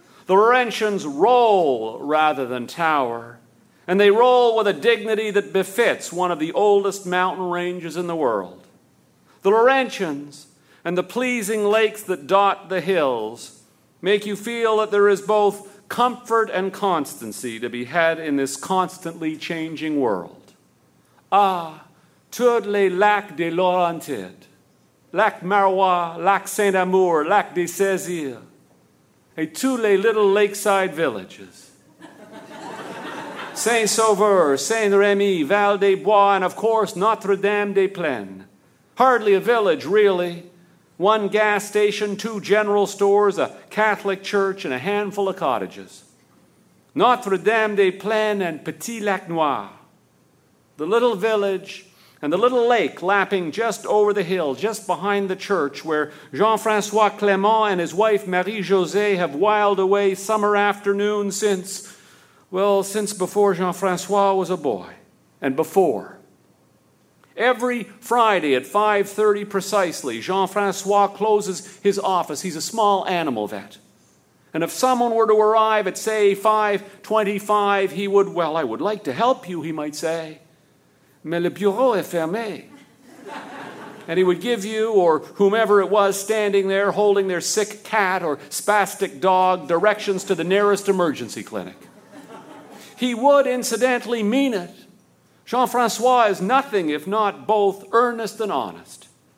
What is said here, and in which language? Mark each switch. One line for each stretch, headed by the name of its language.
English: The Laurentians roll rather than tower, and they roll with a dignity that befits one of the oldest mountain ranges in the world. The Laurentians and the pleasing lakes that dot the hills make you feel that there is both comfort and constancy to be had in this constantly changing world.
French: Ah, toutes les lacs de Laurentide. Lac Marois, Lac Saint-Amour, Lac de Césaire, et tous les
English: little lakeside villages. Saint-Sauveur, Saint-Rémy, Val des Bois, and of course Notre-Dame-des-Plaines. Hardly a village, really. One gas station, two general stores, a Catholic church, and a handful of cottages. Notre-Dame-des-Plaines and Petit Lac Noir. The little village and the little lake lapping just over the hill, just behind the church, where Jean-François Clément and his wife Marie-Josée have whiled away summer afternoons since, well, since before Jean-François was a boy, and before. Every Friday at 5:30 precisely, Jean-François closes his office. He's a small animal vet. And if someone were to arrive at, say, 5:25, he would, well, I would like to help you, he might say.
French: Mais le bureau est fermé.
English: And he would give you, or whomever it was standing there holding their sick cat or spastic dog, directions to the nearest emergency clinic. He would, incidentally, mean it. Jean-François is nothing if not both earnest and honest.